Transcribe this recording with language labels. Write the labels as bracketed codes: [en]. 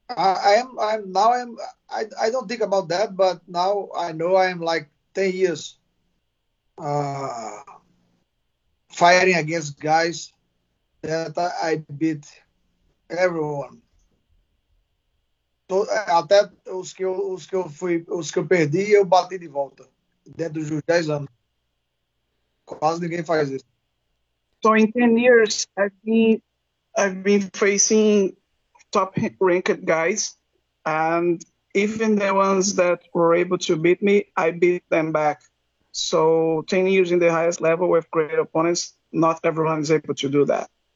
[en] I don't think about that, but now I know I am like 10 years fighting against guys that I beat everyone. [pt] Até os que eu perdi, eu bati de volta dentro dos 10 anos. Quase ninguém faz isso. [en] So in 10 years, I've been facing top-ranked guys, and even the ones that were able to beat me, I beat them back. So 10 years in the highest level with great opponents, not everyone is able to do that.